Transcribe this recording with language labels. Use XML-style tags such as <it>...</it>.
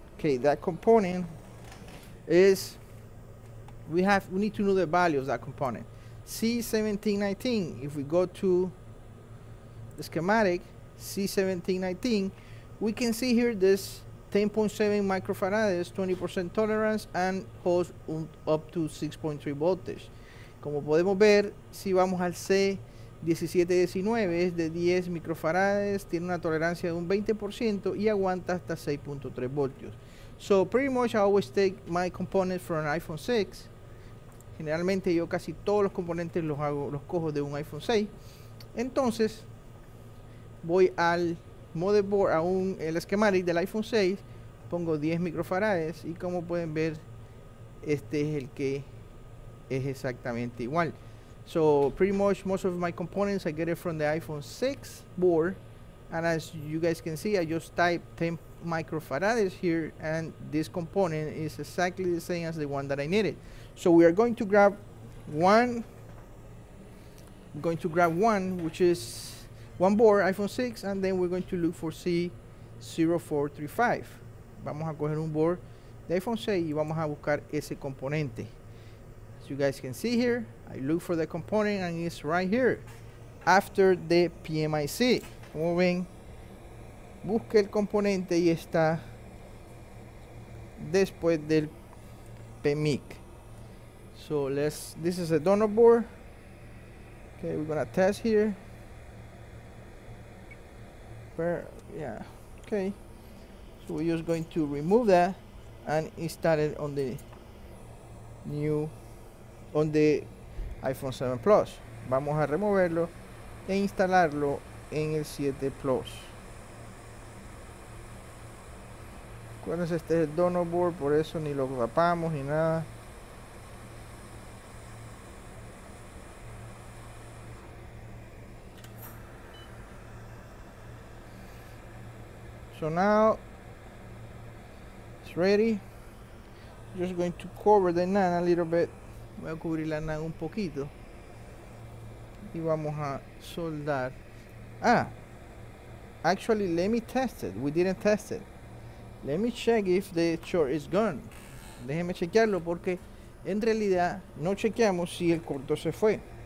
<en>Okay, that component is, we need to know the value of that component. C1719, if we go to the schematic, C1719, we can see here this 10.7 microfarads, 20% tolerance, and holds up to 6.3 voltage.</en> <es>Como podemos ver, si vamos al C1719, es de 10 microfarads, tiene una tolerancia de un 20% y aguanta hasta 6.3 voltios.</es> <en>So, pretty much I always take my components from an iPhone 6.</en> <es>Generalmente yo casi todos los componentes los cojo de un iPhone 6. Entonces, voy al motherboard, el schematic del iPhone 6, pongo 10 microfarads y como pueden ver, este es el que es exactamente igual.</es> <en>So pretty much most of my components I get it from the iPhone 6 board, and as you guys can see, I just type 10 microfarads here and this component is exactly the same as the one that I needed. So we are going to grab one, which is one board, iPhone 6, and then we're going to look for C0435.</en> <es>Vamos a coger un board de iPhone 6 y vamos a buscar ese componente.</es> <en>You guys can see here, I look for the component and it's right here after the PMIC.</en> <es>Como ven, busque el componente y está después del PMIC.</es> <en>So this is a donor board. Okay, we're gonna test here. Okay. So we're just going to remove that and install it on the iPhone 7 Plus.</en> <es>Vamos a removerlo e instalarlo en el 7 Plus. Acuérdense, este es el donor board, por eso ni lo tapamos ni nada.</es> <en>So now it's ready. Just going to cover the NAN a little bit.</en> <es>Voy a cubrir la NAN un poquito y vamos a soldar.</es> <en>Actually let me test it. We didn't test it. Let me check if the short is gone.</en> <es>Déjeme chequearlo porque en realidad no chequeamos si el corto se fue.</es>